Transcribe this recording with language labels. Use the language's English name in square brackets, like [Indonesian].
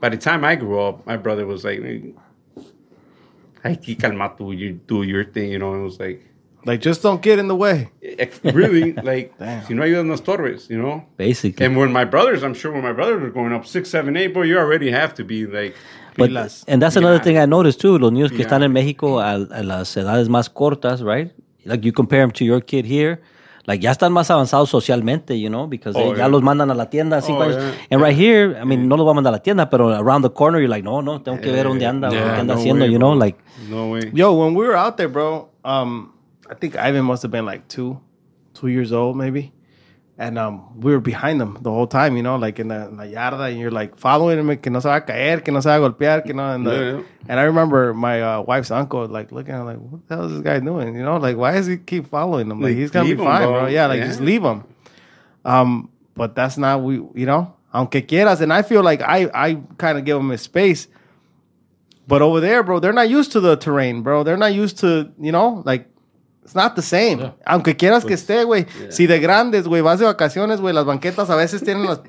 [English] By the time I grew up, my brother was like, [Spanish] "Ay, que calma tú, [English] you do your thing," you know. It was like, like, just don't get in the way. Really, like, [Spanish] si no ayudan los torres, [English] you know? Basically. And when my brothers, I'm sure when my brothers were growing up, 6, 7, 8, boy, you already have to be, like, but, and that's another thing I noticed, too. [Spanish] Los niños que están en México a las edades más cortas, [English] right? Like, you compare them to your kid here. [Spanish] Like, ya están más avanzados socialmente, [English] you know, because [Spanish] ya los mandan a la tienda. [English] And right here, I mean, [Spanish] no los va a mandar a la tienda, pero [English] around the corner, you're like, [Spanish] no, tengo que ver dónde anda, qué anda haciendo, [English] you know? Like, no way. Yo, when we were out there, bro, I think Ivan must have been like two years old maybe. And we were behind him the whole time, you know, like in the yarda, and you're like following him, [Spanish] que no se va a caer, que no [English] se va a golpear, que no. And I remember my wife's uncle like looking at him like, what the hell is this guy doing? You know, like, why does he keep following him? Like, he's going to be fine, bro. Yeah, like, just leave him. But that's not, you know, [Spanish] aunque quieras. [English] And I feel like I kind of give him his space. But over there, bro, they're not used to the terrain, bro. They're not used to, you know, like, it's not the same. Yeah. [Spanish] Aunque quieras que esté, güey. [English] Yeah. [Spanish] Si de grandes, güey, vas de vacaciones, güey, las banquetas a veces tienen las...